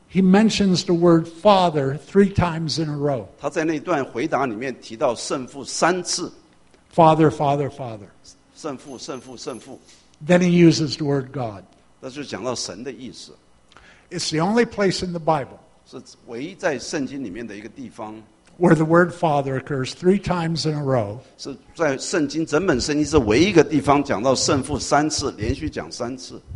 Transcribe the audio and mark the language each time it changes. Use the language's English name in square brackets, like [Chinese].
[English] he mentions the word Father three times in a row. [Chinese] 他在那段回答里面提到圣父三次。 [English] Father, Father, Father. [Chinese] 圣父, 圣父, 圣父。 [English] Then he uses the word God. [Chinese] 那就讲到神的意思。 [English] It's the only place in the Bible [Chinese] 是唯一在圣经里面的一个地方 [English] where the word Father occurs three times in a row. [Chinese] 是在圣经整本圣经是唯一一个地方讲到圣父三次连续讲三次。